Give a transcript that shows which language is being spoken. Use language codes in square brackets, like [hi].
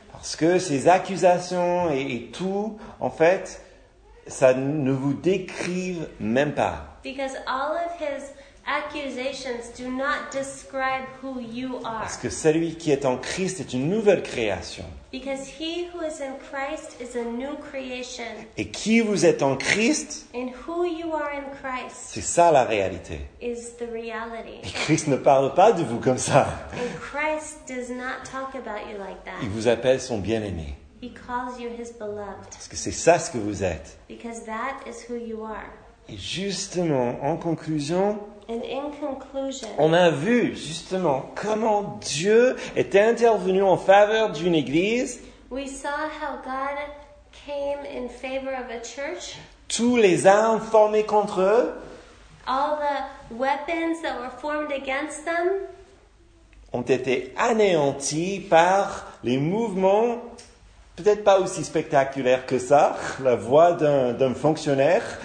[fr] Parce que ces accusations et tout, en fait, ça ne vous décrive même pas. [en] Because all of his accusations do not describe who you are. [fr] Parce que celui qui est en Christ est une nouvelle création. [en] Because he who is in Christ is a new creation. [fr] Et qui vous êtes en Christ, [en] and who you are in Christ, [fr] c'est ça la réalité. [en] Is the reality. [fr] Et Christ ne parle pas de vous comme ça. [en] And Christ does not talk about you like that. [fr] Il vous appelle son bien-aimé. [en] He calls you his beloved. [fr] Parce que c'est ça ce que vous êtes. [en] Because that is who you are. [fr] Et justement, en conclusion, [en] and in conclusion, [fr] on a vu justement comment Dieu est intervenu en faveur d'une église. [en] We saw how God came in favor of a church. [fr] Tous les armes formées contre eux. [en] All the weapons that were formed against them [fr] ont été anéantis par les mouvements, peut-être pas aussi spectaculaires que ça, la voix d'un fonctionnaire.